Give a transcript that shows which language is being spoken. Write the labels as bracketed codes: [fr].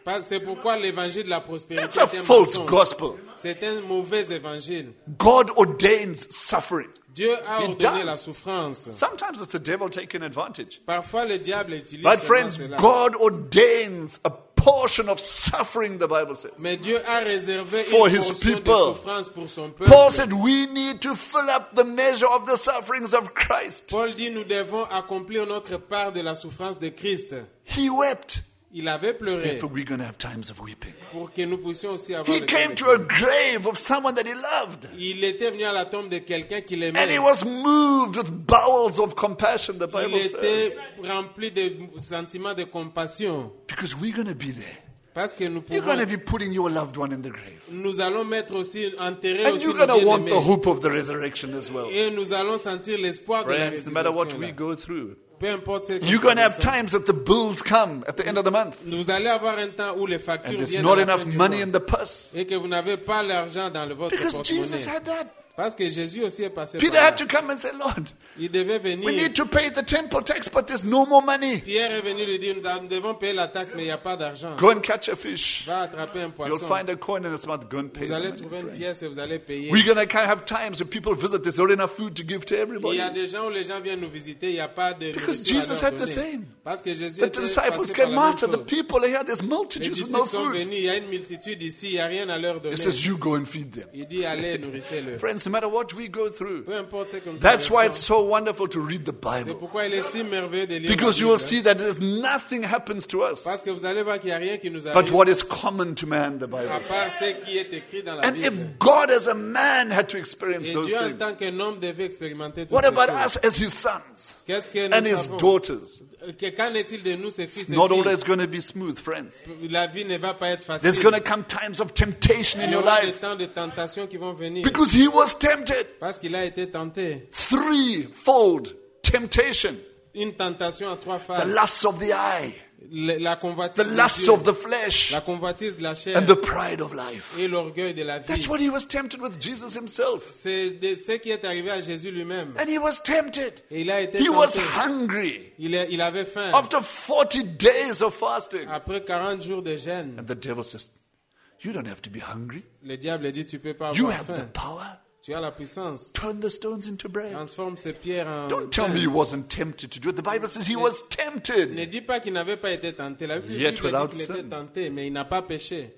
[fr] C'est pourquoi l'évangile de la prospérité est un mensonge. [en] That's a false gospel. [fr] C'est un mauvais évangile. [en] God ordains suffering. [fr] Dieu a ordonné la souffrance. [en] Sometimes it's the devil taking advantage. [fr] Parfois le diable utilise cela. [en] But friends, God ordains a portion of suffering, the Bible says. [fr] Mais Dieu a réservé une portion de souffrance pour son peuple. [en] Paul said, "We need to fill up the measure of the sufferings of Christ." [fr] Paul dit, nous devons accomplir notre part de la souffrance de Christ. [en] He wept. [fr] Il avait pleuré. [en] Therefore, we're going to have times of weeping. [fr] Pour que nous puissions aussi avoir. [en] He came to a grave of someone that he loved. [fr] Il était venu à la tombe de quelqu'un qu'il aimait. [en] And he was moved with bowels of compassion. The Bible says. [fr] Il était rempli de sentiments de compassion. [en] Because we're going to be there. [fr] Parce que nous [en] pouvons. You're going to be putting your loved one in the grave. [fr] Nous allons mettre aussi enterrer aussi nos bien-aimés. [en] And you're going to want the hope of the resurrection as well. [fr] Et nous allons sentir l'espoir de la résurrection. [en] Friends, no matter what we go through. You're going to have times that the bills come at the end of the month. [fr] Vous allez avoir un temps où les factures viennent. [en] And there's not enough money in the purse. [fr] Et que vous n'avez pas l'argent dans le votre [en] porte-monnaie. Because Jesus had that. [fr] Parce que Jésus aussi est passé. [en] Peter had to come and say, Lord. [fr] Il devait venir. [en] We need to pay the temple tax, but there's no more money. [fr] Pierre est venu lui dire, nous devons payer la taxe, mais il y a pas d'argent. [en] Go and catch a fish. [fr] Va attraper un poisson. [en] You'll find a coin in its mouth. Go and pay. [fr] Vous allez trouver une pièce et vous allez payer. [en] We're gonna have times when people visit. There's not enough food to give to everybody. [fr] Il y a des gens où les gens viennent nous visiter, il y a pas de. [en] Because Jesus had the same. [fr] Parce que Jésus. [en] But the disciples came, Master. The people here, there's multitudes with no food. [fr] Les disciples sont venus. Il y a une multitude ici, il y a rien à leur donner. [en] He says, you go and feed them. [fr] Il dit, allez nourrissez-les. [en] Friends, no matter what we go through, [fr] peu importe ce que nous [en] that's why it's so wonderful to read the Bible. [fr] C'est pourquoi il est si merveilleux de lire [en] because you will see that there's nothing happens to us. [fr] Parce que vous allez voir qu'il y a rien qui nous arrive. [en] But what is common to man, the Bible. [fr] À part ce qui est écrit dans la [en] and [fr] Bible. [en] If God as a man had to experience [fr] et [en] those [fr] Dieu, [en] things, [fr] en tant qu'un homme devait expérimenter [en] what about [fr] choses? [en] Us as his sons [fr] qu'est-ce que nous [en] and his [fr] savons? [en] Daughters? [fr] Qu'en est-il de nous, ces fils, ces [en] not [fr] filles? [en] Always going to be smooth, friends. [fr] La vie ne va pas être facile. [en] There's going to come times of temptation [fr] il [en] in your life. [fr] Des temps de tentation qui vont venir. [en] Because he was tempted. [fr] Parce qu'il a été tenté. [en] Threefold temptation. [fr] Une tentation à trois phases. [en] The lust of the eye. [fr] La convoitise [en] the lust of the flesh. [fr] La convoitise de la chair. [en] And the pride of life. [fr] Et l'orgueil de la vie. [en] That's what he was tempted with Jesus himself. [fr] C'est ce qui est arrivé à Jésus lui-même. [en] And he was tempted. [fr] Et il a été [en] tenté. He was hungry. [fr] Il avait faim. [en] After 40 days of fasting. [fr] Après 40 jours de jeûne. [en] And the devil says, you don't have to be hungry. [fr] Le diable dit, tu peux pas avoir [en] you [fr] faim. [en] Have the power. [fr] Tu as la puissance. [en] Turn the stones into bread. [fr] Transforme ces pierres en. [en] Don't tell me he wasn't tempted to do it. The Bible says he was tempted. [fr] Ne dis pas qu'il n'avait pas été tenté. La Bible dit qu'il était tenté, mais il n'a pas péché.